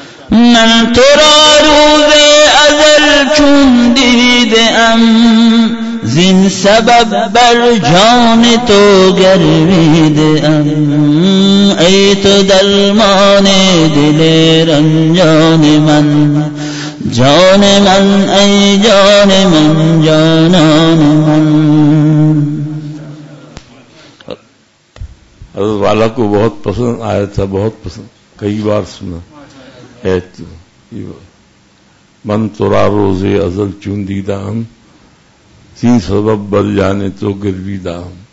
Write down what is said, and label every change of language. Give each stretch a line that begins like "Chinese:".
Persian: من تو را روز ازل چون دیدم، زین سبب بر جان تو گرویدم، ای تو درمان دل رنجان من جان من، ای جان من جانان من.
Urdu: حضرت والا کو بہت پسند آیا تھا، بہت پسند، کئی بار سنا.
Persian: من تو را روز ازل چون دیدم، تین سبب بر جانے تو گروی دام.